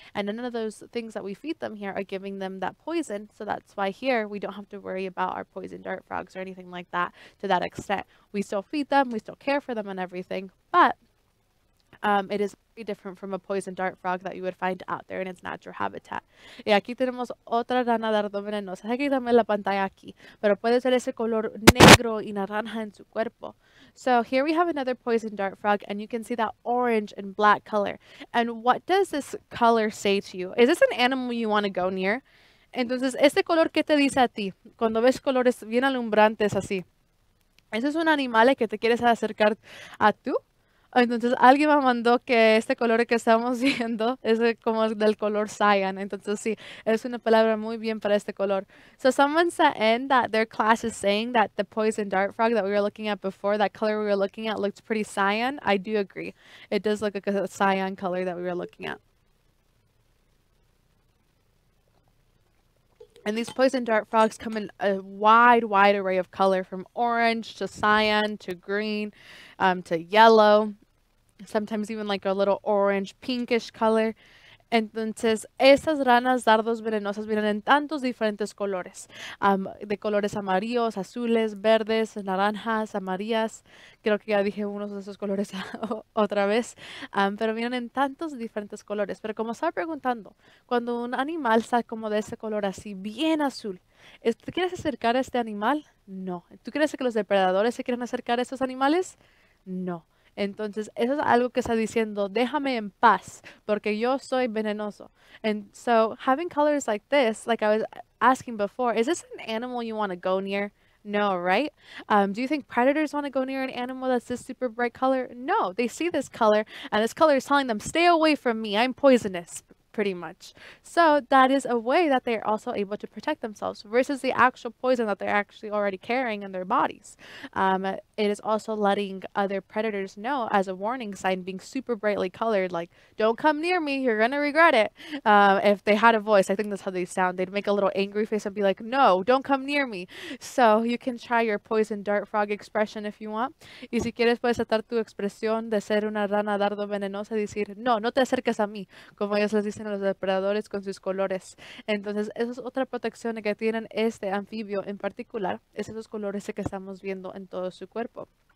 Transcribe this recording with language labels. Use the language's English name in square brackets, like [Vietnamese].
[English] And none of those things that we feed them here are giving them that poison, so that's why here we don't have to worry about our poison dart frogs or anything like that to that extent. We still feed them, we still care for them and everything, but it is very different from a poison dart frog that you would find out there in its natural habitat. [Spanish] Y aquí tenemos otra rana dardo venenosa. Aquí también la pantalla aquí, pero puede ser ese color negro y naranja en su cuerpo. [English] So here we have another poison dart frog, and you can see that orange and black color. And what does this color say to you? Is this an animal you want to go near? [Spanish] Entonces, ¿este color qué te dice a ti? Cuando ves colores bien alumbrantes así, ¿ese es un animal que te quieres acercar a tú? Entonces alguien me mandó que este color que estamos viendo es como del color cyan. Entonces sí, es una palabra muy bien para este color. [English] So someone said in that their class is saying that the poison dart frog that we were looking at before, that color we were looking at looked pretty cyan. I do agree. It does look like a cyan color that we were looking at. And these poison dart frogs come in a wide, wide array of color, from orange to cyan to green, to yellow, sometimes even like a little orange pinkish color. [Spanish] Entonces, esas ranas dardos venenosas vienen en tantos diferentes colores, de colores amarillos, azules, verdes, naranjas, amarillas. Creo que ya dije unos de esos colores otra vez, pero vienen en tantos diferentes colores. Pero como estaba preguntando, cuando un animal está como de ese color así, bien azul, ¿te quieres acercar a este animal? No. ¿Tú crees que los depredadores se quieren acercar a estos animales? No. Entonces, eso es algo que está diciendo, déjame en paz, porque yo soy venenoso. [English] And so, having colors like this, like I was asking before, is this an animal you want to go near? No, right? Do you think predators want to go near an animal that's this super bright color? No, they see this color, and this color is telling them, stay away from me, I'm poisonous. pretty much. So that is a way that they're also able to protect themselves versus the actual poison that they're actually already carrying in their bodies. It is also letting other predators know as a warning sign, being super brightly colored, like, don't come near me, you're gonna regret it. If they had a voice, I think that's how they sound, they'd make a little angry face and be like, no, don't come near me. So you can try your poison dart frog expression if you want. [Spanish] Y si quieres puedes atar tu expresión de ser una rana dardo venenosa y decir, no, no te acerques a mí, como ellos les dicen a los depredadores con sus colores. Entonces, esa es otra protección que tienen este anfibio en particular, es esos colores que estamos viendo en todo su cuerpo.